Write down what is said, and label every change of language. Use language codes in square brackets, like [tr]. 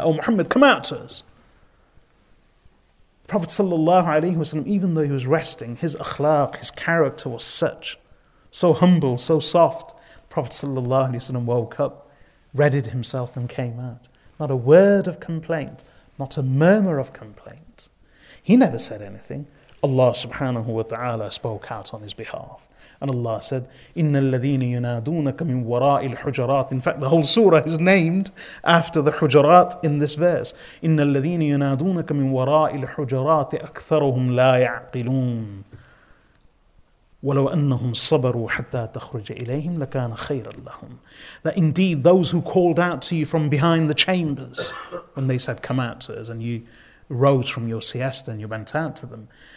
[en] Oh Muhammad, come out to us. The Prophet sallallahu alaihi wasallam, even though he was resting, his akhlaq, his character was such, so humble, so soft. The Prophet sallallahu alaihi wasallam woke up, readied himself and came out. Not a word of complaint, not a murmur of complaint. He never said anything. Allah subhanahu wa ta'ala spoke out on his behalf. And Allah said, [ar] إِنَّ الَّذِينَ يُنَادُونَكَ مِنْ وَرَاءِ الْحُجَرَاتِ. [en] In fact, the whole surah is named after the hujarat in this verse. [ar] إِنَّ الَّذِينَ يُنَادُونَكَ مِنْ وَرَاءِ الْحُجَرَاتِ أَكْثَرُهُمْ لَا يَعْقِلُونَ وَلَوْ أَنَّهُمْ صَبَرُوا حَتَّى تَخْرُجَ إِلَيْهِمْ لَكَانَ خَيْرًا لَهُمْ. [en] That indeed those who called out to you from behind the chambers when they said, come out to us, and you rose from your siesta and you went out to them.